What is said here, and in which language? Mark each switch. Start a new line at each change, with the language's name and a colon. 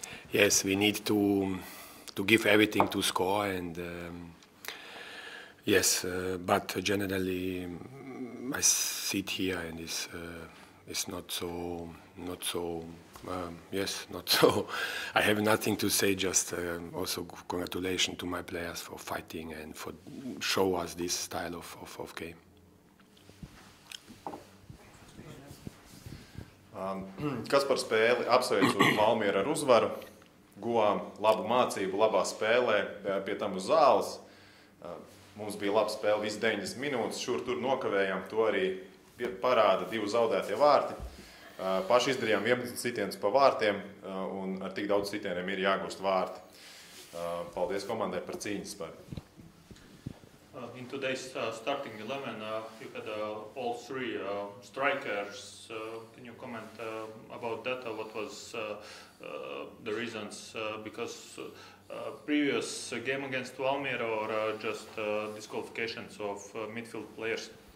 English: Yes, we need to give everything to score, and yes, but generally I sit here and it's not so. I have nothing to say. Just also congratulations to my players for fighting and for show us this style of game.
Latvian: Kaspar spēli apsveicu Valmiera ar uzvaru. Guvām labu mācību, labā spēlē, pie tam uz zāles. Mums bija laba spēle visu 90 minūtes, šur tur nokavējām, to arī parāda divi zaudētie vārti. Paši izdarījām 11 sitienus pa vārtiem, un ar tik daudz sitieniem ir jāgūst vārti. Paldies komandai par cīņu spēju.
English: In today's starting 11, you had all three strikers. Can you comment about that? What was the reasons? Because previous game against Valmiera or just disqualifications of midfield players?